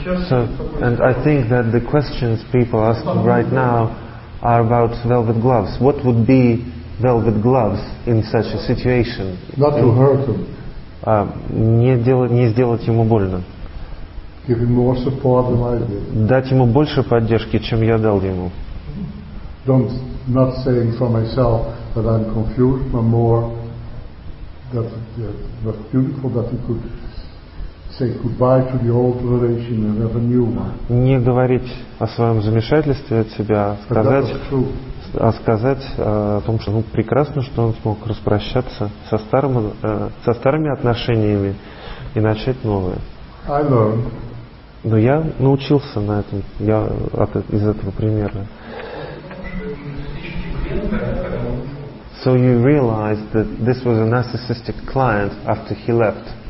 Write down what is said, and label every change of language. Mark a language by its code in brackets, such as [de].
[en] So, and I think that the questions people ask right now are about velvet gloves. What would be velvet gloves in such a situation? Not to hurt him. [ru] Не сделать ему больно. [en] Give him more support than I did. [ru] Дать ему больше поддержки, чем я дал ему. [en] Not saying for myself that I'm confused, but more that was beautiful, that he could say goodbye to the old relation and have a new one. [ru] Не говорить о своем замешательстве от себя, сказать о том, что ну прекрасно, что он смог распрощаться со старым со старыми отношениями и начать новые. [en] I learned. [ru] Но я научился на этом, я из этого примера. [en] So you realized that this was a narcissistic client after he left?